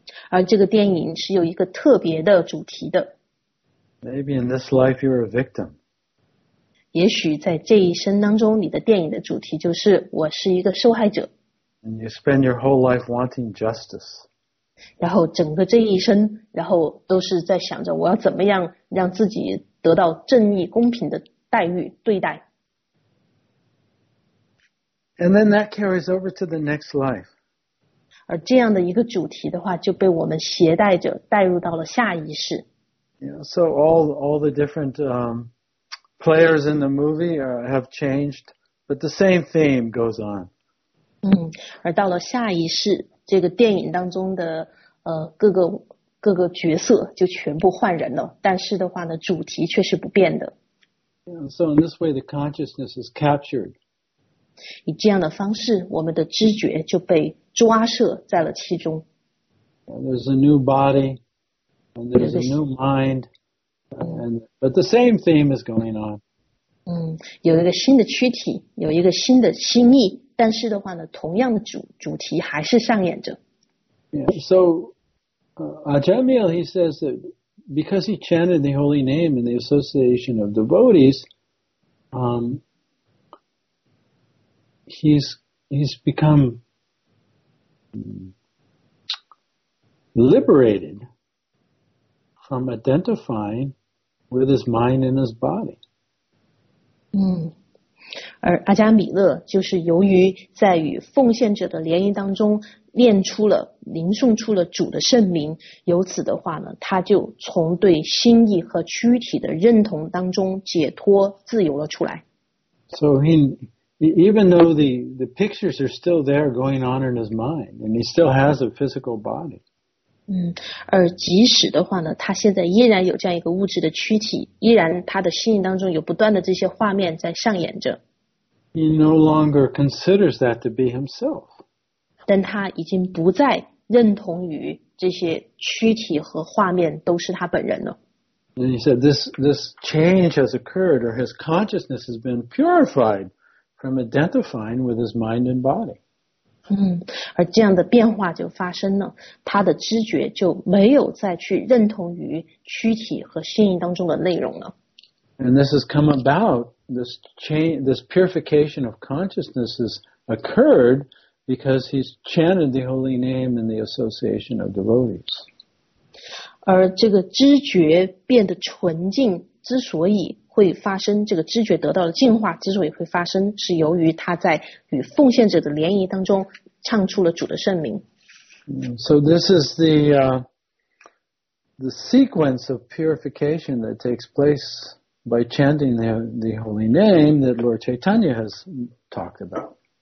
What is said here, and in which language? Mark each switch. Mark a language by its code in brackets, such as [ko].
[zh] 而这个电影是有一个特别的主题的。 [en] Maybe in this life you're a victim. [zh] 也许在这一生当中，你的电影的主题就是我是一个受害者。 [en] And you spend your whole life wanting justice. [zh] 然后整个这一生，然后都是在想着我要怎么样让自己得到正义公平的待遇对待。 [en] And then that carries over to the next life. [zh] 而这样的一个主题的话，就被我们携带着带入到了下一世。 [en] Yeah, so all the different players in the movie have changed, but the same theme goes on. [zh] 而到了下一世。这个电影当中的各个角色就全部换人了，但是的话呢，主题却是不变的。 [en] Yeah, so in this way, the consciousness is captured. [zh] 以这样的方式，我们的知觉就被抓摄在了其中。 [en] Well, there's a new body, and there's a new mind, but the same theme is going on. [zh] 有一个新的躯体，有一个新的心意。但是的话呢，同样的主题还是上演着。 [en] Yeah, so, Ajahn Mill, he says that because he chanted the holy name in the association of devotees, he's become liberated from identifying with his mind and his body. [zh] 而阿加米勒就是由于在与奉献者的联谊当中念出了、吟诵出了主的圣名，由此的话呢，他就从对心意和躯体的认同当中解脱、自由了出来。 [en] So he, even though the pictures are still there going on in his mind, and he still has a physical body. [zh] 而即使的话呢，它现在依然有这样一个物质的躯体，依然它的心灵当中有不断的这些画面在上演着。 [en] He no longer considers that to be himself. [zh] 但他已经不再认同于这些躯体和画面都是他本人了。 [en] And he said this change has occurred, or his consciousness has been purified from identifying with his mind and body. [zh] 而这样的变化就发生了，他的知觉就没有再去认同于躯体和心灵当中的内容了。 [en] And this has come about, this change, this purification of consciousness has occurred because he's chanted the holy name in the association of devotees. [zh] 而这个知觉变得纯净之所以会发生，这个知觉得到的净化之所以会发生，是由于他在与奉献者的联谊当中唱出了主的圣名。 [en] So this is the sequence of purification that takes place by chanting the holy name that Lord Chaitanya has talked about.